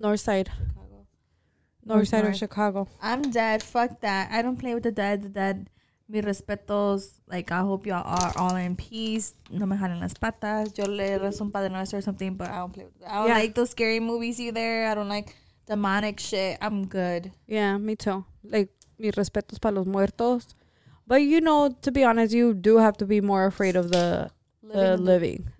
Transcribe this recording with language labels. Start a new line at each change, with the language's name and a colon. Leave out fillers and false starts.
English: North side. Chicago. North side north. Of Chicago. I'm dead. Fuck that. I don't play with the dead. The dead.
Spanish: Mi respetos.
English: Like, I hope y'all are all in peace.
Spanish: No me jalen las patas. Yo le rezo un padre nuestro
English: or something, but I don't play with that. I don't like those scary movies either. I don't like demonic shit. I'm good. Yeah, me too. Like,
Spanish: mis respetos para los muertos.
English: But you know, to be honest, you do have to be more afraid of the living.